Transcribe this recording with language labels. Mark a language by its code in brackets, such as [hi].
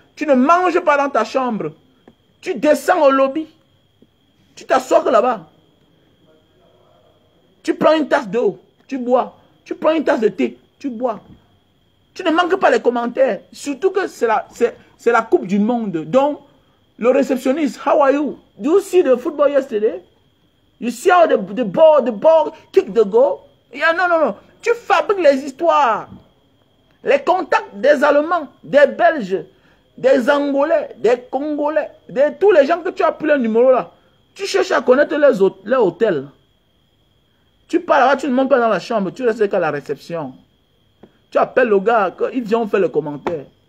[fr] Tu ne manges pas dans ta chambre. Tu descends au lobby. Tu t'assois là-bas. Tu prends une tasse d'eau. Tu bois. Tu prends une tasse de thé. Tu bois. Tu ne manques pas les commentaires. Surtout que c'est la Coupe du Monde. Donc, le réceptionniste, [en] how are you? Do you see the football yesterday? You see how the ball kick the goal? Yeah, [fr] non, non, non. Tu fabriques les histoires. Les contacts des Allemands, des Belges, des Angolais, des Congolais, de tous les gens que tu as pris leur numéro là, tu cherches à connaître leurs hôtels. Tu pars là, tu ne montes pas dans la chambre, tu restes qu'à la réception. Tu appelles le gars, il vient faire le commentaire.